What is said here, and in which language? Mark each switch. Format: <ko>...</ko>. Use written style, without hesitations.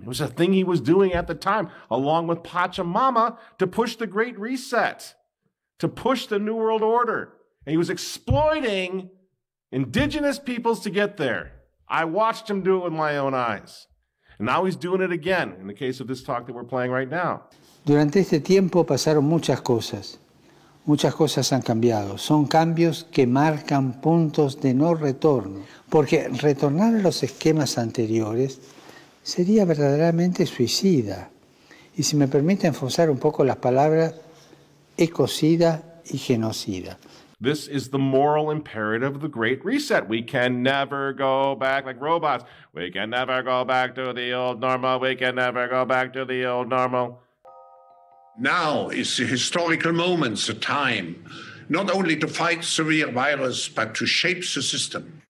<en>It was a thing he was doing at the time, along with Pachamama, to push the Great Reset, to push the New World Order. And he was exploiting indigenous peoples to get there. I watched him do it with my own eyes. And now he's doing it again, in the case of this talk that we're playing right now.</en> <es>Durante este tiempo pasaron muchas cosas. Muchas cosas han cambiado. Son cambios que marcan puntos de no retorno. Porque retornar a los esquemas anteriores sería verdaderamente suicida. Y si me permiten forzar un poco las palabras, ecocida y genocida.</es> <en>This is the moral imperative of the Great Reset. We can never go back like robots. We can never go back to the old normal. We can never go back to the old normal. Now is the historical moment, the time, not only to fight severe virus, but to shape the system.</en>